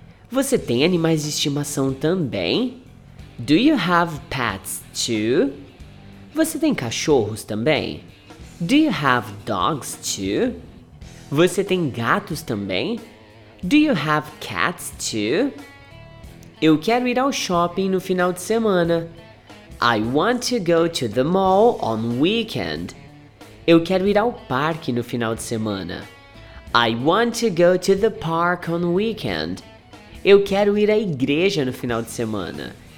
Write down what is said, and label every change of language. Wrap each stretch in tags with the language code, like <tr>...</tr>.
<pt>Você tem animais de estimação também?</pt> <en>Do you have pets too?</en> <pt>Você tem cachorros também?</pt> <en>Do you have dogs too?</en> <pt>Você tem gatos também?</pt> <en>Do you have cats too?</en> <pt>Eu quero ir ao shopping no final de semana.</pt> <en>I want to go to the mall on weekend.</en> <pt>Eu quero ir ao parque no final de semana.</pt> <en>I want to go to the park on weekend.</en> <pt>Eu quero ir à igreja no final de semana.</pt>